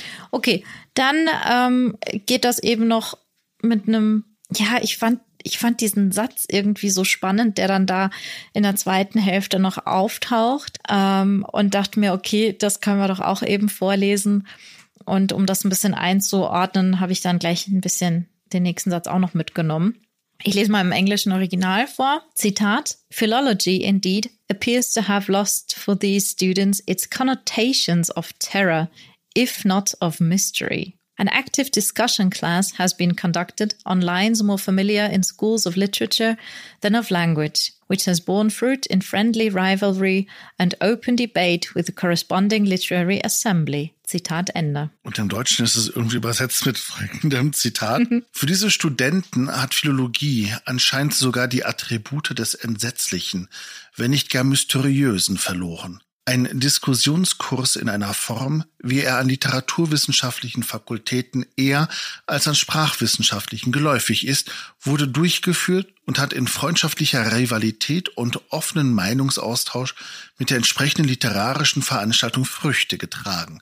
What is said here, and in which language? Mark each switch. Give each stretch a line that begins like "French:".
German: Okay, dann geht das eben noch mit einem, ja, ich fand diesen Satz irgendwie so spannend, der dann da in der zweiten Hälfte noch auftaucht und dachte mir, okay, das können wir doch auch eben vorlesen. Und um das ein bisschen einzuordnen, habe ich dann gleich ein bisschen den nächsten Satz auch noch mitgenommen. Ich lese mal im englischen Original vor.
English: Zitat, Philology indeed appears to have lost for these students its connotations of terror, if not of mystery. An active discussion class has been conducted on lines more familiar in schools of literature than of language, which has borne fruit in friendly rivalry and open debate with the corresponding literary assembly.
German: Zitat Ende. Und im Deutschen ist es irgendwie übersetzt mit folgendem Zitat. Für diese Studenten hat Philologie anscheinend sogar die Attribute des Entsetzlichen, wenn nicht gar Mysteriösen, verloren. Ein Diskussionskurs in einer Form, wie er an literaturwissenschaftlichen Fakultäten eher als an sprachwissenschaftlichen geläufig ist, wurde durchgeführt und hat in freundschaftlicher Rivalität und offenen Meinungsaustausch mit der entsprechenden literarischen Veranstaltung Früchte getragen.